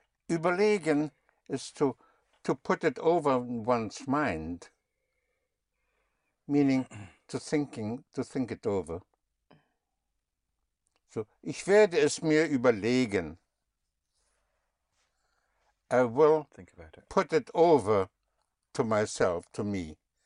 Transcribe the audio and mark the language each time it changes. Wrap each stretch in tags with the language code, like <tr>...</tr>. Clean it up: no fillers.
<en>Überlegen is to put it over one's mind, meaning to think it over.</en> <de>So, ich werde es mir überlegen.</de> <en>I will think about it. Put it over to myself, to me.</en>